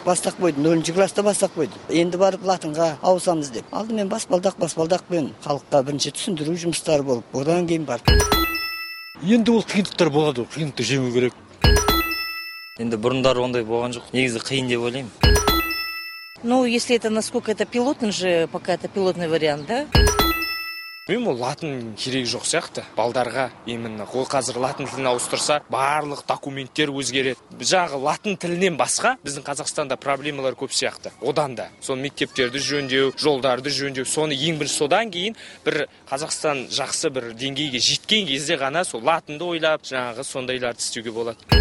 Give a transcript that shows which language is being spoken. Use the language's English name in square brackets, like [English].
[Kazakh] Бастап қойды, 0-шы класта бастап қойды. Енді барып латынға ауысамыз деп. Алдымен баспалдақпен халыққа бірінші түсіндіру жұмыстары болып, одан кейін барып. Енді ол қиындықтар болады, қиындықты жеңу керек. Енді бұрындары ондай болған жоқ. Негізі қиын деп ойлаймын. [Russian] Если это насколько это пилотный же, пока это пилотный вариант, да? [Kazakh] Мен бұл латынның керегі жоқ сияқты. Балдарға емінің қой қазір латын тілін ауыстырса, барлық документтер өзгереді. Жағы латын тілінен басқа, біздің Қазақстанда проблемалар көп сияқты. Одан да, соны мектептерді жөндеу, жолдарды жөндеу, соны ең бірінші содан кейін, бір Қазақстан жақсы бір деңгейге жеткен кезде ғана сол латынды ойлап, жаңағы сондайларды істеуге болады.